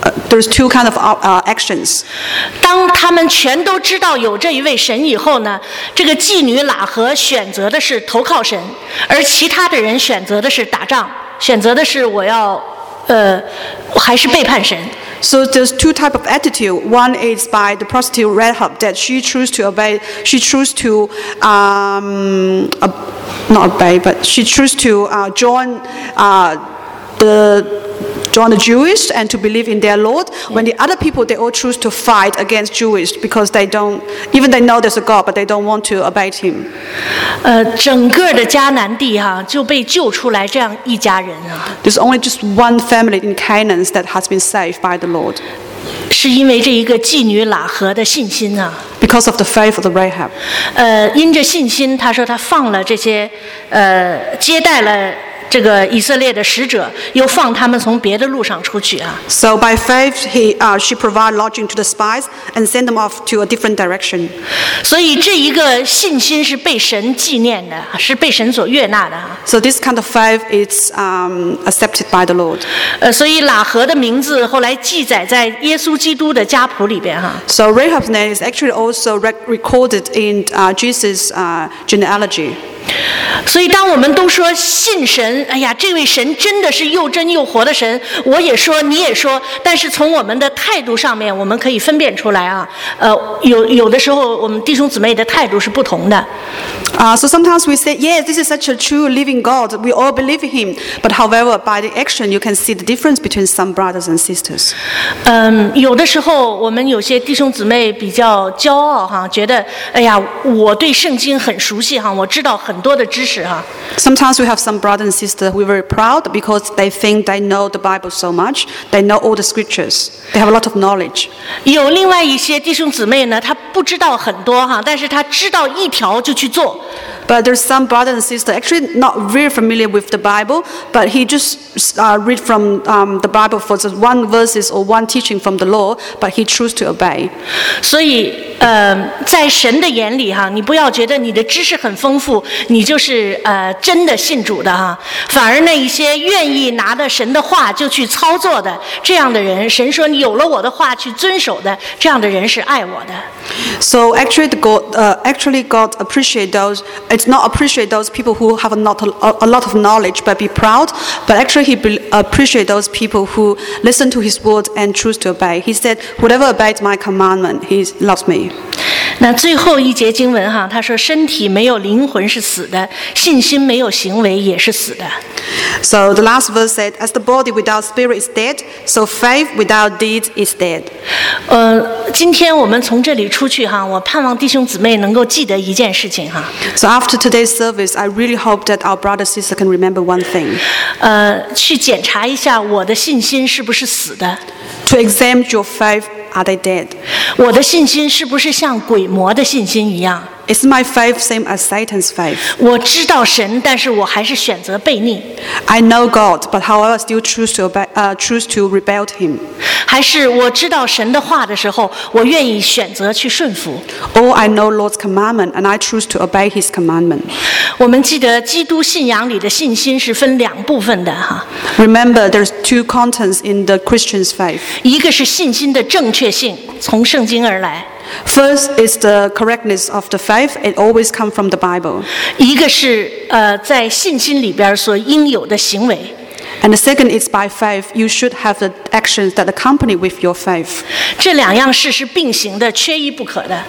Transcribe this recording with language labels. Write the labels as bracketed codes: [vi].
[en] there's two kind of actions. [zh] 当他们全都知道有这一位神以后呢，这个妓女喇合选择的是投靠神，而其他的人选择的是打仗，选择的是我要还是背叛神。 [en] So there's two type of attitude. One is by the prostitute Rahab that she chose to obey. She chose to not obey, but she chose to join the Jewish and to believe in their Lord. When the other people, they all choose to fight against Jewish because they don't even they know there's a God, but they don't want to obey him. [zh] 整个的迦南地哈、啊、就被救出来这样一家人啊。 [en] There's only just one family in Canaan that has been saved by the Lord. [zh] 是因为这一个妓女喇合的信心啊。 [en] Because of the faith of the Rahab. [zh] 因着信心，他说他放了这些接待了。这个以色列的使者又放他们从别的路上出去啊。 [en] So by faith, she provided lodging to the spies and sent them off to a different direction. [zh] 所以这一个信心是被神纪念的，是被神所悦纳的。 [en] So this kind of faith is accepted by the Lord. [zh] 所以喇合的名字后来记载在耶稣基督的家谱里边哈。 [en] So Rahab's name is actually also recorded in Jesus' genealogy. [zh] 所以当我们都说信神，哎呀，这位神真的是又真又活的神，我也说，你也说，但是从我们的态度上面，我们可以分辨出来啊，有的时候我们弟兄姊妹的态度是不同的。 [en] So sometimes we say, yes, this is such a true living God, we all believe in him, but however, by the action, you can see the difference between some brothers and sisters. [zh] 有的时候我们有些弟兄姊妹比较骄傲哈，觉得，哎呀，我对圣经很熟悉哈，我知道很多的知识哈。 [en] Sometimes we have some brothers and sisters who are very proud because they think they know the Bible so much. They know all the scriptures. They have a lot of knowledge. [zh] 有另外一些弟兄姊妹呢，他不知道很多哈，但是他知道一条就去做。 [en] But there's some brothers and sisters actually not very familiar with the Bible, but he just read from the Bible for just one verses or one teaching from the law, but he choose to obey. [zh] 所以，在神的眼里哈，你不要觉得你的知识很丰富，你就是真的信主的哈。反而那一些愿意拿着神的话就去操作的这样的人，神说你有了我的话去遵守的这样的人是爱我的。 [en] So actually, God appreciate those. It's not appreciate those people who have a lot of knowledge, but be proud. But actually, appreciate those people who listen to His words and choose to obey. He said, "Whoever obeys my commandment, He loves me." [zh] 那最后一节经文哈，他说，身体没有灵魂是死的，信心没有行为也是死的。 [en] So the last verse said, "As the body without spirit is dead, so faith without deeds is dead." [zh] 今天我们从这里出去哈，我盼望弟兄姊妹能够记得一件事情哈。 [en] So after today's service, I really hope that our brother sister can remember one thing. [zh] 去检查一下我的信心是不是死的。 [en] To examine your faith, are they dead? [zh] 我的信心是不是像鬼魔的信心一样？ [en] Is my faith same as Satan's faith? [zh] 我知道神，但是我还是选择悖逆。 [en] I know God, but however, still choose to rebel him. [zh] 还是我知道神的话的时候，我愿意选择去顺服。 [en] Or I know Lord's commandment, and I choose to obey His commandment. [zh] 我们记得基督信仰里的信心是分两部分的哈。 [en] Remember, there's two contents in the Christian's faith. [zh] 一个是信心的正确性，从圣经而来。 [en] First is the correctness of the faith. It always comes from the Bible. [zh] 一个是在信心里边所应有的行为。 [en] And the second is by faith. You should have the actions that accompany with your faith. [zh] 这两样事是并行的，缺一不可的。